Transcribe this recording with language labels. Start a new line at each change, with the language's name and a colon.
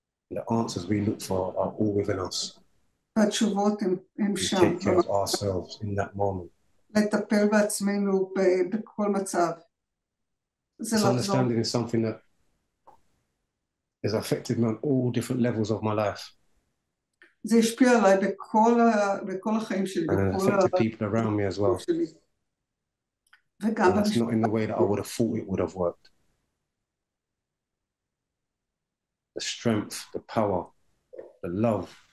English: The answers we look for are all within us.
Hebrew: התשובות הם שם.
English: We take care of ourselves in that moment.
Hebrew: לטפל בעצמנו בכל מצב.
English: This understanding is something that has affected me on all different levels of my life.
Hebrew: זה השפיע עליי בכל החיים שלי.
English: And it affected people around me as well.
Hebrew: וגם
English: that's not in the way that I would have thought it would have worked. The strength, the power, the love.